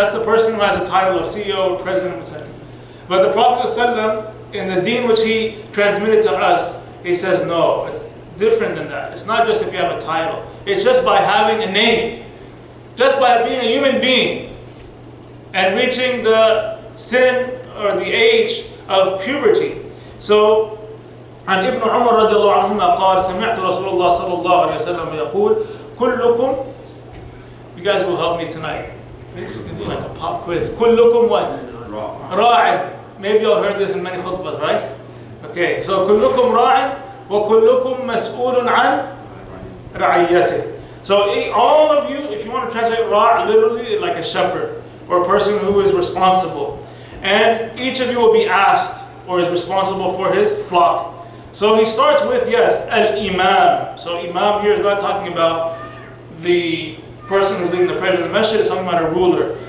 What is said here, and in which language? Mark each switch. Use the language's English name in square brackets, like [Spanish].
[English] That's the person who has a title of CEO, president, etc. But the Prophet sallam, in the deen which he transmitted to us, he says, no, it's different than that. It's not just if you have a title. It's just by having a name. Just by being a human being. And reaching the sin or the age of puberty. [Arabic] So, عن ابن عمر رضي الله عنهما قال سمعت رسول الله صلى الله عليه وسلم يقول كلكم. [English] You guys will help me tonight. Maybe we can do like a pop quiz. كلكم what? راعٍ. Maybe you all heard this in many khutbas, right? Okay. [Arabic] So كلكم راعٍ وكلكم مسؤول عن رعيته. [English] So all of you, if you want to translate راع literally like a shepherd. Or a person who is responsible. And each of you will be asked, or is responsible for his flock. So he starts with, yes, al-imam. So imam here is not talking about the person who's leading the prayer in the masjid, it's talking about a ruler.